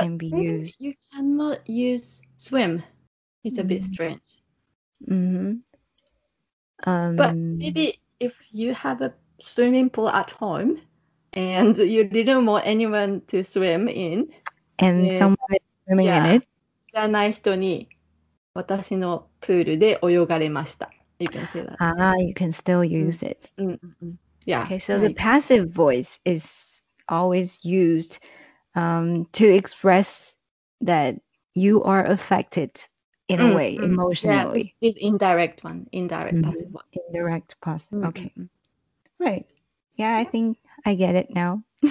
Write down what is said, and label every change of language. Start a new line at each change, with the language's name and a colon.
English: can be used. You cannot use swim. It's mm-hmm. a bit strange. Mm-hmm. But maybe if you have a swimming pool at home and you didn't want anyone to swim in. And someone is swimming in it.
Japanese: 知らない人に私のプールで泳がれました.
English: You can say that. Ah, you can still use it. Mm-hmm. Yeah. Okay, so the passive voice is always used to express that you are affected in a way, emotionally. Yeah, this indirect one, indirect mm-hmm. passive voice. Indirect passive, mm-hmm. okay. Right. Yeah, I think I get it now.